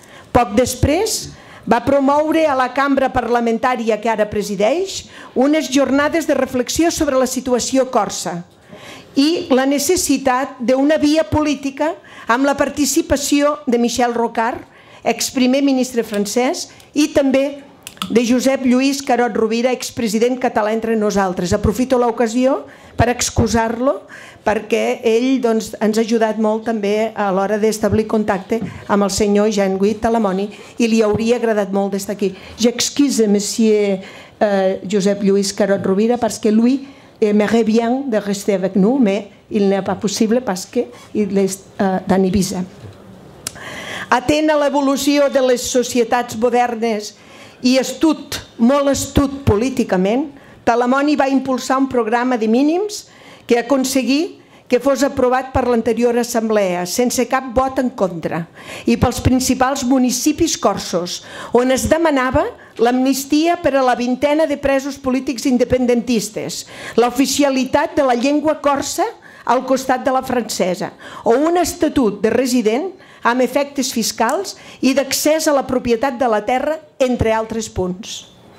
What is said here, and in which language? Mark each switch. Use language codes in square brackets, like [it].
[ca] Poc després va promoure a la cambra parlamentària que ara presideix unes jornades de reflexió sobre la situació corsa i la necessitat d'una via política amb la participació de Michel Rocard, exprimer ministre francès, i també de Josep Lluís Carod Rovira, expresident català entre nosaltres. Aprofito l'ocasió per excusar-lo perquè ell doncs, ens ha ajudat molt també a l'hora d'establir contacte amb el senyor Jean-Guy Talamoni i li hauria agradat molt d'estar aquí. [fr] J'excuse, monsieur Josep Lluís Carod Rovira, parce que lui aimerait bien de rester avec nous, mais il n'est pas possible parce que il est dans Ibiza. [ca] Atent a l'evolució de les societats modernes i astut, molt astut políticament, Talamoni va impulsar un programa de mínims que aconseguí que fos aprovat per l'anterior assemblea, sense cap vot en contra, i pels principals municipis corsos, on es demanava l'amnistia per a la 20ena de presos polítics independentistes, l'oficialitat de la llengua corsa al costat de la francesa, o un estatut de resident amb efectes fiscals i d'accés a la propietat de la terra, entre altres punts.